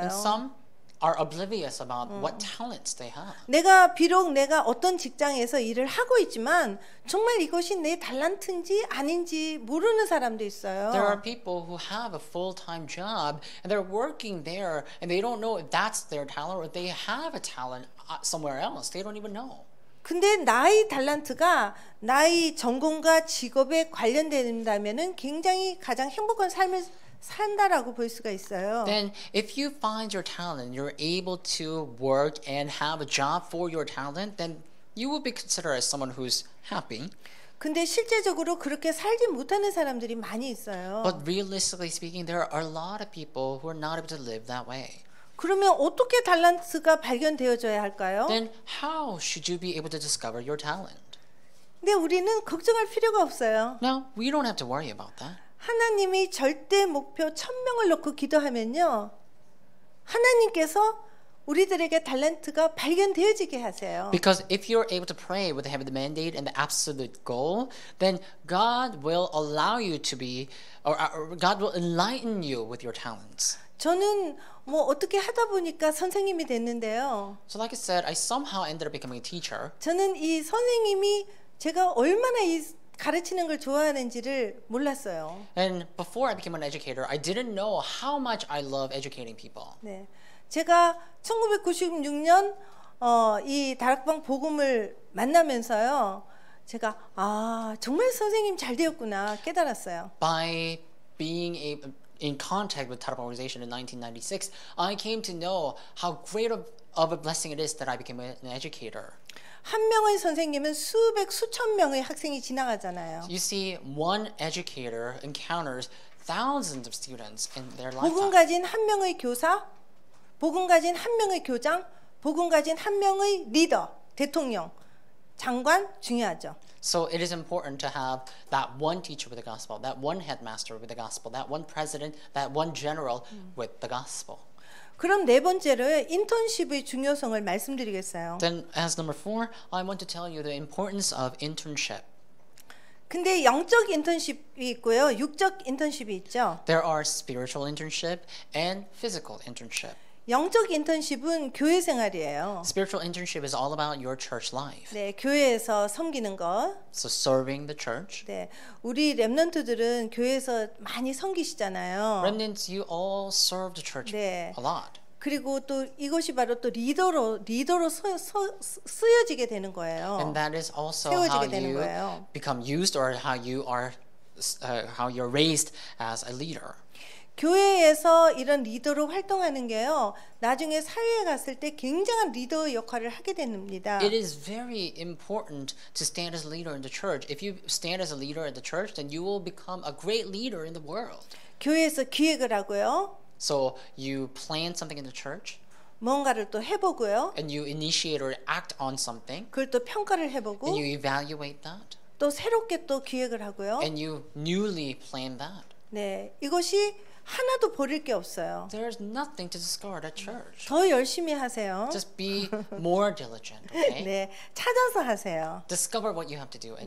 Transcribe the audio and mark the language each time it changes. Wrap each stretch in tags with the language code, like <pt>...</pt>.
<en>And some are oblivious about what talents they have.</en> <ko>내가 비록 내가 어떤 직장에서 일을 하고 있지만 정말 이것이 내 탤런트인지 아닌지 모르는 사람도 있어요.</ko> <en>There are people who have a full-time job and they're working there and they don't know if that's their talent or they have a talent somewhere else. They don't even know.</en> <ko>근데 나의 탤런트가 나의 전공과 직업에 관련된다면은 굉장히 가장 행복한 삶을 산다라고 볼 수가 있어요.</ko> <en>Then if you find your talent, you're able to work and have a job for your talent, then you will be considered as someone who's happy.</en> <ko>근데 실제적으로 그렇게 살지 못하는 사람들이 많이 있어요.</ko> <en>But realistically speaking, there are a lot of people who are not able to live that way.</en> <ko>그러면 어떻게 탤런트가 발견되어져야 할까요?</ko> <en>Then how should you be able to discover your talent?</en> <ko>네, 우리는 걱정할 필요가 없어요.</ko> <en>No, we don't have to worry about that.</en> <ko>하나님이 절대 목표 1,000명을 놓고 기도하면요, 하나님께서 우리들에게 탤런트가 발견되어지게 하세요.</ko> <en>Because if you're able to pray with the heavenly mandate and the absolute goal, then God will allow you to be, or God will enlighten you with your talents.</en> <ko>저는 뭐 어떻게 하다 보니까 선생님이 됐는데요.</ko> <en>So like I said, I somehow ended up becoming a teacher.</en> <ko>저는 이 선생님이 제가 얼마나 이 가르치는 걸 좋아하는지를 몰랐어요.</ko> <en>And before I became an educator, I didn't know how much I love educating people.</en> <ko>네, 제가 1996년 이 다락방 복음을 만나면서요, 제가 아 정말 선생님 잘 되었구나 깨달았어요.</ko> <en>By being in contact with Tarabang organization in 1996, I came to know how great of a blessing it is that I became an educator.</en> <ko>한 명의 선생님은 수백 수천 명의 학생이 지나가잖아요.</ko> <en>You see, one educator encounters thousands of students in their lifetime.</en> <ko>복음 가진 한 명의 교사, 복음 가진 한 명의 교장, 복음 가진 한 명의 리더, 대통령, 장관 중요하죠.</ko> <en>So it is important to have that one teacher with the gospel, that one headmaster with the gospel, that one president, that one general with the gospel.</en> <ko>그럼 네 번째로 인턴십의 중요성을 말씀드리겠어요.</ko> <en>Then as number four, I want to tell you the importance of internship.</en> <ko>근데 영적 인턴십이 있고요, 육적 인턴십이 있죠.</ko> <en>There are spiritual internship and physical internship.</en> <ko>영적 인턴십은 교회 생활이에요.</ko> <en>Spiritual internship is all about your church life.</en> <ko>네, 교회에서 섬기는 거.</ko> <en>So serving the church.</en> <ko>네, 우리 렘넌트들은 교회에서 많이 섬기시잖아요.</ko> <en>Remnants, you all serve the church</en> <ko>네.</ko> <en>a lot.</en> <ko>그리고 또 이것이 바로 또 리더로 쓰여지게 되는 거예요.</ko> <en>And that is also how you become used or how you are how you're raised as a leader.</en> <ko>교회에서 이런 리더로 활동하는 게요, 나중에 사회에 갔을 때 굉장한 리더 역할을 하게 됩니다.</ko> <en>It is very important to stand as a leader in the church. If you stand as a leader in the church, then you will become a great leader in the world.</en> <ko>교회에서 기획을 하고요.</ko> <en>So you plan something in the church.</en> <ko>뭔가를 또 해보고요.</ko> <en>And you initiate or act on something.</en> <ko>그걸 또 평가를 해보고.</ko> <en>And you evaluate that.</en> <ko>또 새롭게 또 기획을 하고요.</ko> <en>And you newly plan that.</en> <ko>네, 이것이 하나도 버릴 게 없어요.</ko> <en>There is nothing to discard at church.</en> <ko>더 열심히 하세요.</ko> <en>Just be more diligent, okay?</en> <ko>네, 찾아서 하세요.</ko> <en>Discover what you have to do and</en>